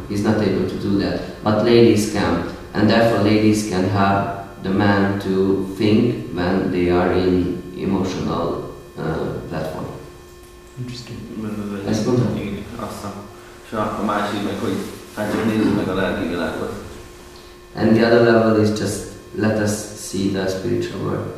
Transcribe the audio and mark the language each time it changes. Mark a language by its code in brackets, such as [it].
[en] He's not able to do that. But ladies can. And therefore ladies can have the man to think when they are in emotional platform. Okay. [hu] Ez mondani? Igen, aztán. És akkor másik meg, hogy hát csak nézzük meg a lelki világot. [en] And the other level is just let us see the spiritual world.